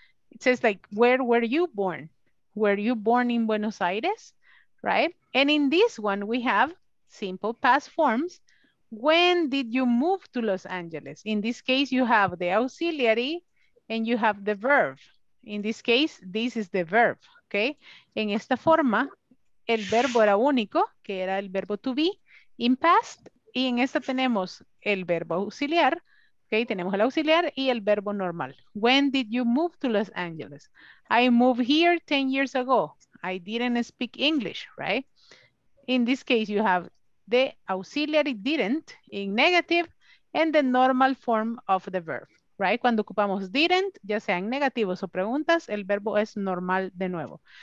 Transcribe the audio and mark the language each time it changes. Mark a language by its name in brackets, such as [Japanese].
[English] It says like, where were you born? Were you born in Buenos Aires? Right? And in this one, we have simple past forms. When did you move to Los Angeles? In this case, you have the auxiliary and you have the verb. In this case, this is the verb, okay? [Spanish] En esta forma, el verbo era único, que era el verbo to be, [English] in past, [Spanish] y en esta tenemos el verbo auxiliar, okay, tenemos el auxiliar y el verbo normal. [English] When did you move to Los Angeles? I moved here 10 years ago. I didn't speak English, right? In this case, you have the auxiliary didn't in negative and the normal form of the verb, right? [Spanish] Cuando ocupamos didn't, ya sean negativos o preguntas, el verbo es normal de nuevo.